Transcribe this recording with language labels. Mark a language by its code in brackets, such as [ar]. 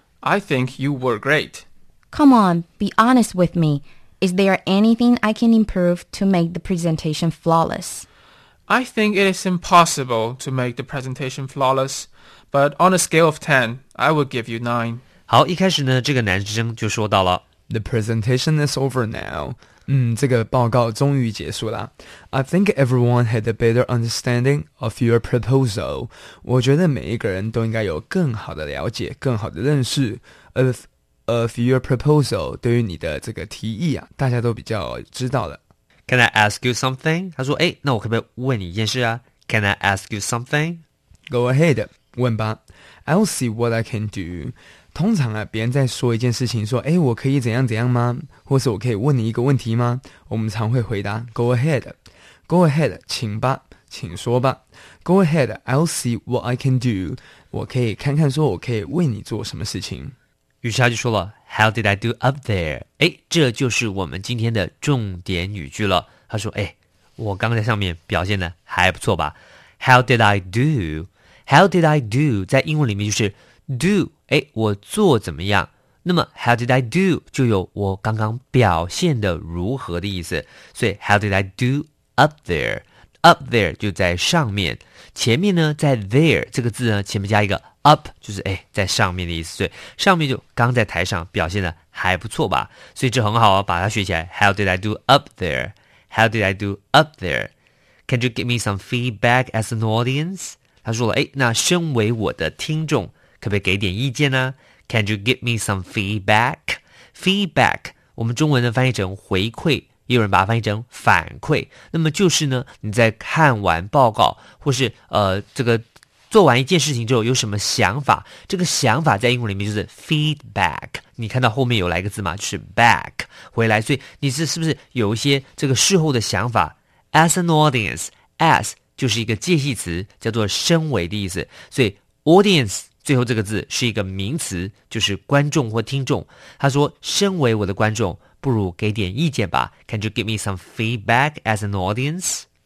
[en] I think you were great. Come on, be honest with me. Is there anything I can improve to make the presentation flawless? I think it is impossible to make the presentation flawless, but on a scale of 10, I would give you 9. [zh] 好，一开始呢，这个男生就说到了 [en] The presentation is over now. [zh] 这个报告终于结束了。 [en] I think everyone had a better understanding of your proposal. [zh] 我觉得每一个人都应该有更好的了解，更好的认识 [en] of your proposal. [zh] 对于你的这个提议啊，大家都比较知道了。 [en] Can I ask you something? [zh] 他说，哎，那我可不可以问你一件事啊？ [en] Can I ask you something? Go ahead, [zh] 问吧。 [en] I'll see what I can do. [zh] 通常啊，别人在说一件事情，说，哎，我可以怎样怎样吗？或是我可以问你一个问题吗？我们常会回答 [en] Go ahead. Go ahead, [zh] 请吧，请说吧。 [en] Go ahead, I'll see what I can do. [zh] 我可以看看说我可以为你做什么事情。于是他就说了 [en] How did I do up there? [zh] 哎，这就是我们今天的重点语句了。他说，哎，我刚在上面表现的还不错吧 ? [en] How did I do? How did I do? [zh] 在英文里面就是 do. 哎，我做怎么样？那么 [en] how did I do [zh] 就有我刚刚表现的如何的意思。所以 [en] how did I do up there [zh] 就在上面，前面呢在 there 这个字呢前面加一个 up， 就是哎在上面的意思。所以上面就刚在台上表现的还不错吧？所以这很好啊，把它学起来。 [en] How did I do up there? How did I do up there? Can you give me some feedback as an audience? [zh] 他说了，哎，那身为我的听众。可不可以给点意见呢 ？ [en] Can you give me some feedback? [zh] Feedback， 我们中文呢翻译成回馈，也有人把它翻译成反馈。那么就是呢，你在看完报告，或是这个做完一件事情之后，有什么想法？这个想法在英文里面就是 feedback。你看到后面有来一个字吗？就是 back， 回来。所以你是不是有一些这个事后的想法 ？ [en] As an audience， [zh] as 就是一个介系词，叫做身为的意思。所以 audience。最后这个字是一个名词，就是观众或听众。他说，身为我的观众，不如给点意见吧。 [en] Can you give me some feedback as an audience?